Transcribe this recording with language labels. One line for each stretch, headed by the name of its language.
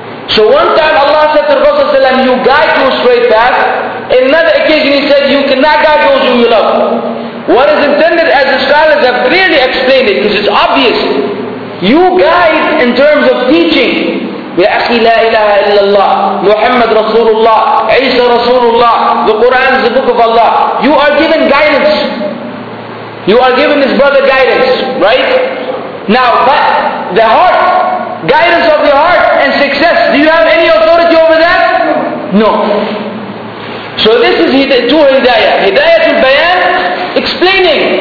English: So one time Allah said to the Prophet sallallahu alayhi wa sallam, you guide to a straight path. In another occasion he said, you cannot guide those whom you love. What is intended, as the scholars have clearly explained it, because it's obvious, you guide in terms of teaching.
Arabic: يا أخي لا إله إلا الله محمد رسول الله عيسى رسول الله.
English: The Quran is the book of Allah. You are given guidance. You are given this brother guidance, right? Now, but the heart, guidance of your heart and success, do you have any authority over that? No. So this is two hidayah. Hidayah to bayan, explaining.